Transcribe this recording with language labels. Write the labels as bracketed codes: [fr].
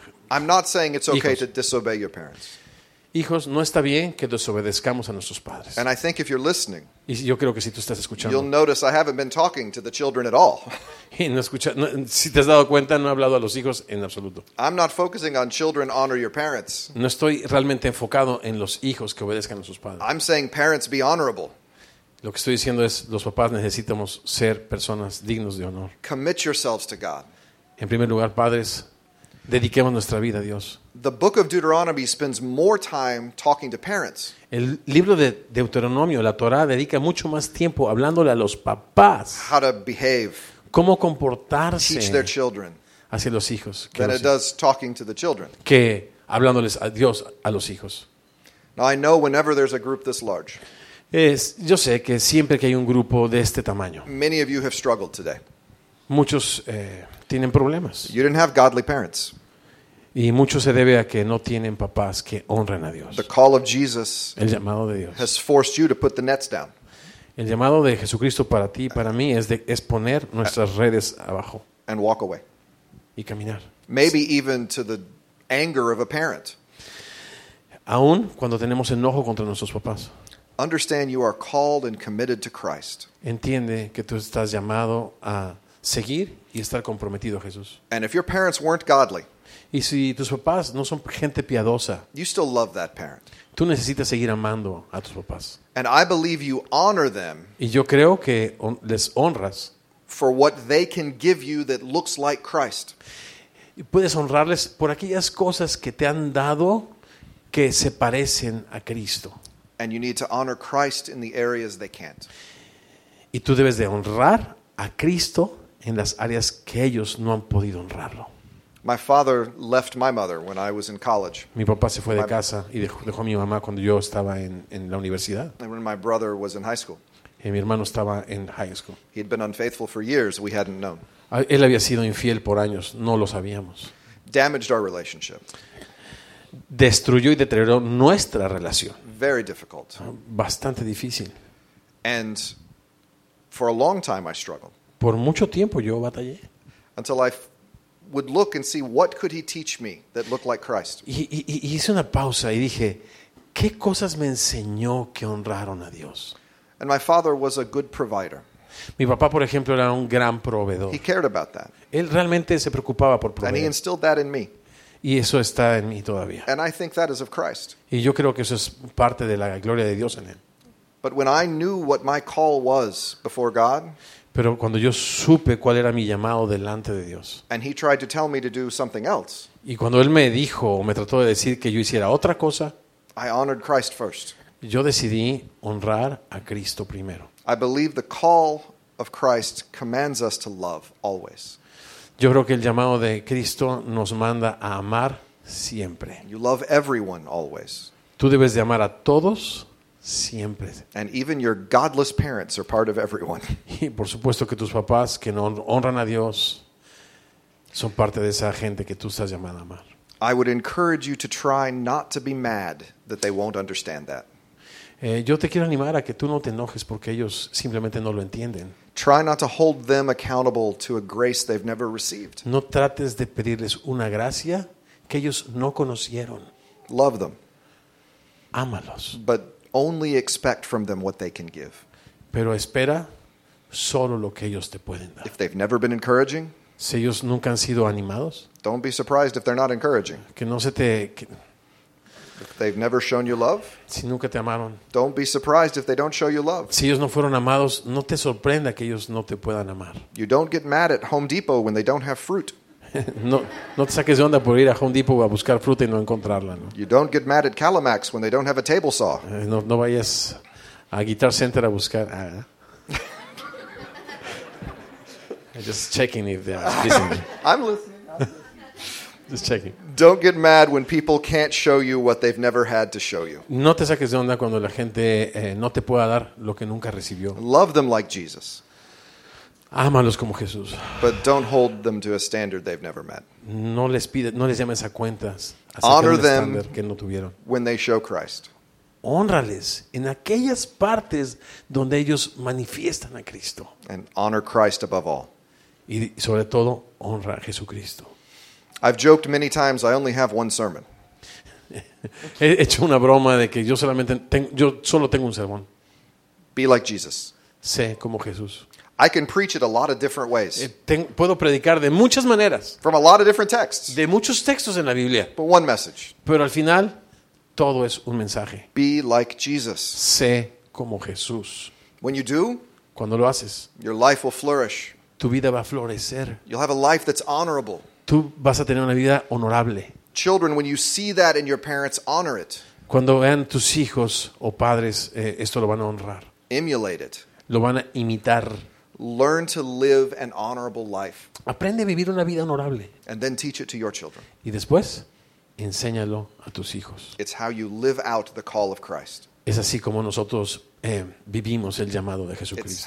[en] I'm not saying it's okay to disobey your parents. [es] Hijos, no está bien que desobedezcamos a nuestros padres. [en] And I think if you're listening, [es] y yo creo que si tú estás escuchando, [en] you'll notice I haven't been talking to the children at all. [es] Y no escucha, no, si te has dado cuenta, no he hablado a los hijos en absoluto. [en] I'm not focusing on children honor your parents. [es] No estoy realmente enfocado en los hijos que obedezcan a sus padres. [en] I'm saying parents be honorable. [es] Lo que estoy diciendo es, los papás necesitamos ser personas dignos de honor. [en] Commit yourselves to God. [es] En primer lugar, padres, dediquemos nuestra vida a Dios. [en] The book of Deuteronomy spends more time talking to parents. [es] El libro de Deuteronomio, la Torá, dedica mucho más tiempo hablándole a los papás. [en] How to behave. [es] Cómo comportarse. [en] Teach their children. [es] Hacia los hijos. [en] Than it does talking to the children. [es] Que hablándoles a Dios a los hijos. [en] Now I know whenever there's a group this large. [es] Yo sé que siempre que hay un grupo de este tamaño. [en] Many of you have struggled today. [es] Muchos tienen problemas. [en] You didn't have godly parents. [es] Y mucho se debe a que no tienen papás que honren a Dios. [en] The call of Jesus. [es] El llamado de Dios. [en] Has forced you to put the nets down. [es] El llamado de Jesucristo para ti y para mí es poner nuestras redes abajo. [en] And walk away. [es] Y caminar. [en] Maybe even to the anger of a parent. [es] Aún cuando tenemos enojo contra nuestros papás. [en] Understand you are called and committed to Christ. [es] Entiende que tú estás llamado a seguir y estar comprometido a Jesús. [en] And if your parents weren't godly, [es] y si tus papás no son gente piadosa, [en] you still love that parent. [es] Tú necesitas seguir amando a tus papás. [en] And I believe you honor them. [es] Y yo creo que les honras. [en] For what they can give you that looks like Christ. [es] Y puedes honrarles por aquellas cosas que te han dado que se parecen a Cristo. [en] And you need to honor Christ in the areas they can't. [es] Y tú debes de honrar a Cristo en las áreas que ellos no han podido honrarlo. [en] My father left my mother when I was in college. [es] Mi papá se fue de casa y dejó a mi mamá cuando yo estaba en la universidad. [en] When my brother was in high school. [es] Y mi hermano estaba en high school. [en] He had been unfaithful for years, we hadn't known. [es] Él había sido infiel por años, no lo sabíamos. [en] Damaged our relationship. [es] Destruyó y deterioró nuestra relación. [en] Very difficult. [es] Bastante difícil. [en] And for a long time I struggled. [es] Por mucho tiempo yo batallé. [en] Until I would look and see what could he teach me that looked like Christ. [es] Y hice una pausa y dije, ¿qué cosas me enseñó que honraron a Dios? [en] And my father was a good provider. [es] Mi papá, por ejemplo, era un gran proveedor. [en] He cared about that. [es] Él realmente se preocupaba por proveer. [en] And he instilled that in me. [es] Y eso está en mí todavía. [en] And I think that is of Christ. [es] Y yo creo que eso es parte de la gloria de Dios en él. [en] But when I knew what my call was before God, [es] pero cuando yo supe cuál era mi llamado delante de Dios, [en] and he tried to tell me to do something else, [es] y cuando él me dijo o me trató de decir que yo hiciera otra cosa, [en] I honored Christ first. [es] Yo decidí honrar a Cristo primero. [en] I believe the call of Christ commands us to love always. [es] Yo creo que el llamado de Cristo nos manda a amar siempre. [en] You love everyone always. [es] Tú debes de amar a todos siempre. [en] And even your godless parents are part of everyone. [es] Y por supuesto que tus papás que no honran a Dios son parte de esa gente que tú estás llamado a amar. [en] I would encourage you to try not to be mad that they won't understand that. [es] Yo te quiero animar a que tú no te enojes porque ellos simplemente no lo entienden. [en] Try not to hold them accountable to a grace they've never received. [es] No trates de pedirles una gracia que ellos no conocieron. [en] Love them. [es] Ámalos. [en] But only expect from them what they can give. [es] Pero espera solo lo que ellos te pueden dar. [en] If they've never been encouraging, [es] si ellos nunca han sido animados, [en] don't be surprised if they're not encouraging. [es] Que no se te [en] If they've never shown you love, [es] si nunca te amaron, [en] don't be surprised if they don't show you love. [es] Si ellos no fueron amados, no te sorprenda que ellos no te puedan amar. [en] You don't get mad at Home Depot when they don't have fruit. [es] No te saques de onda por ir a Home Depot a buscar fruta y no encontrarla, ¿no? [en] You don't get mad at Calamax when they don't have a table saw. [es] No vayas a Guitar Center a buscar. [en] Just checking if they're listening. I'm listening. Just checking. Don't get mad when people can't show you what they've never had to show you. [es] No te saques de onda cuando la gente no te pueda dar lo que nunca recibió. [en] Love them like Jesus. [es] Ámalos como Jesús. [en] But don't hold them to a standard they've never met. [es] No les llames a cuentas. [en] Honor them [es] que no tuvieron. [en] When they show Christ. [es] Honrales en aquellas partes donde ellos manifiestan a Cristo. [en] And honor Christ above all. [es] Y sobre todo honra a Jesucristo. [en] I've joked many times I only have one sermon. [es] He hecho una broma de que yo solo tengo un sermón. [en] Be like Jesus. [es] Sé como Jesús. [en] I can preach it a lot of different ways. [es] Puedo predicar de muchas maneras. [en] From a lot of different texts. [es] De muchos textos en la Biblia. [en] But one message. [es] Pero al final todo es un mensaje. [en] Be like Jesus. [es] Sé como Jesús. [en] When you do, [es] cuando lo haces, [en] your life will flourish. [es] Tu vida va a florecer. [en] You'll have a life that's honorable. [es] Tú vas a tener una vida honorable. [en] Children, when you see that in your parents, honor it. [es] Cuando vean tus hijos o padres, esto lo van a honrar. [en] Emulate it. [es] Lo van a imitar. [en] Learn to live an honorable life. [es] Aprende a vivir una vida honorable. [en] And then teach it to your children. [es] Y después, enséñalo a tus hijos. [en] It's how you live out the call of Christ. [es] Es así como nosotros vivimos el llamado de Jesucristo.